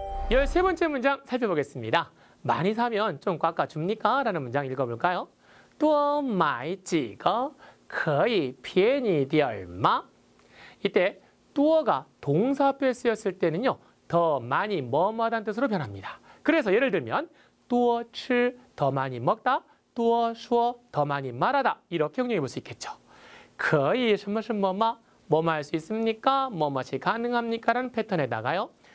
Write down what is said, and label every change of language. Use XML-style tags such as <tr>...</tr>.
<ko>13번째 문장 살펴보겠습니다. 많이 사면 좀 깎아줍니까? 라는 문장 읽어볼까요?</ko> <zh>多买几个 可以便宜点吗?</zh> <ko>이때 多가 동사 앞에 쓰였을 때는요. 더 많이 뭐뭐하다는 뜻으로 변합니다. 그래서 예를 들면 多吃 더 많이 먹다 多说 더 많이 말하다 이렇게 응용해 볼 수 있겠죠.</ko> <zh>可以什么什么吗?</zh> <ko>뭐뭐할 수 있습니까? 뭐뭐시 가능합니까? 라는 패턴에다가요.</ko>